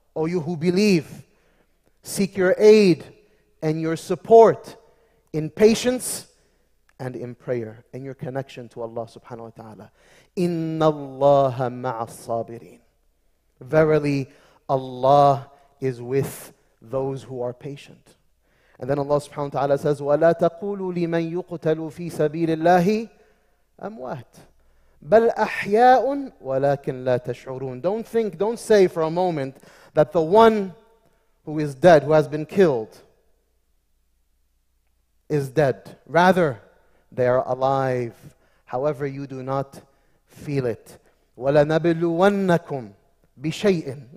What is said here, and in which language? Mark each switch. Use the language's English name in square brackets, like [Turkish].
[English] O you who believe, seek your aid and your support in patience and in prayer and your connection to Allah subhanahu wa ta'ala. [Arabic] Inna Allaha ma'as-sabirin. [English] Verily, Allah is with those who are patient. And then Allah subhanahu wa ta'ala says, [Arabic] وَلَا تَقُولُوا لِمَنْ يُقْتَلُوا فِي سَبِيلِ اللَّهِ أَمْوَاتٍ بَلْ أَحْيَاءٌ وَلَكِنْ لَا تَشْعُرُونَ. [English] Don't think, don't say for a moment that the one who is dead, who has been killed, is dead. Rather, they are alive. However, you do not feel it. [Arabic] وَلَنَبْلُوَنَّكُمْ بِشَيْءٍ.